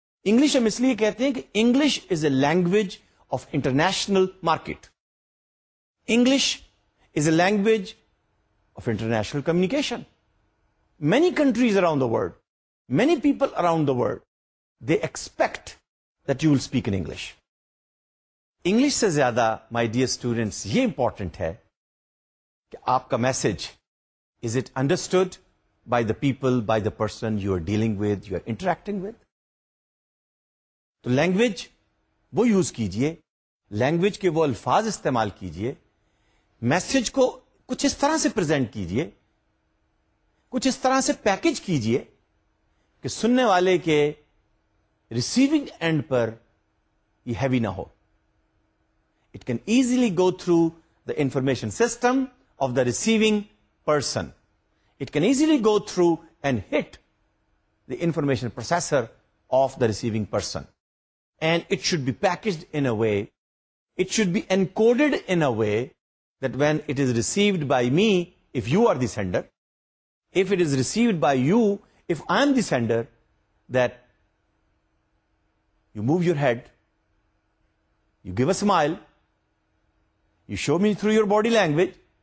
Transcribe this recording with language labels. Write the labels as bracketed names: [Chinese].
[English] English [Urdu] ہم اس لیے کہتے ہیں کہ [English] English is a language of international market, English is a language of international communication. Many countries around the world, many people around the world, they expect that you will speak in English. English [Urdu] سے زیادہ [English] my dear students [Urdu] یہ [English] important [Urdu] ہے کہ آپ کا [English] Message, is it understood by the people, by the person you are dealing with, you are interacting with. [Urdu] تو language وہ use کیجئے, language کے وہ الفاظ استعمال کیجئے, message کو کچھ اس طرح سے present کیجئے, کچھ اس طرح سے package کیجئے کہ سننے والے کے [English] receiving end [Urdu] پر یہ heavy نہ ہو. [English] It can easily go through the information system of the receiving person. It can easily go through and hit the information processor of the receiving person. And it should be packaged in a way, it should be encoded in a way that when it is received by me, if you are the sender, if it is received by you, if I am the sender, that you move your head, you give a smile, you show me through your body language,